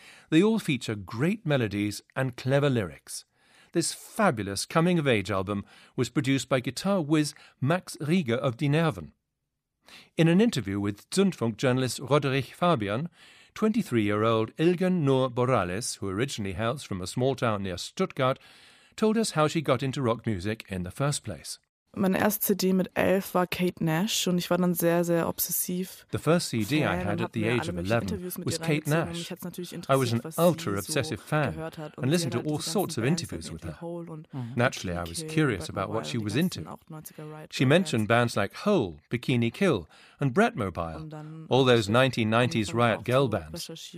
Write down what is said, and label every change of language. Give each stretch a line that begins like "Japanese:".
English: They all feature great melodies and clever lyrics. This fabulous coming-of-age album was produced by guitar whiz Max Rieger of Die Nerven. In an interview with Zündfunk journalist Roderich Fabian, 23-year-old Ilgun Noor Borales, who originally hails from a small town near Stuttgart, told us how she got into rock music in the first place.
German: Meine erste CD mit 11 war Kate Nash und ich war dann sehr, sehr obsessiv.
English: The first CD I had at the age of 11 was Kate Nash. I was an ultra-obsessive fan and listened to all sorts of interviews with her. Naturally, I was curious about what she was into. She mentioned bands like Hole, Bikini Kill and Brett Mobile, all those 1990s Riot Girl bands.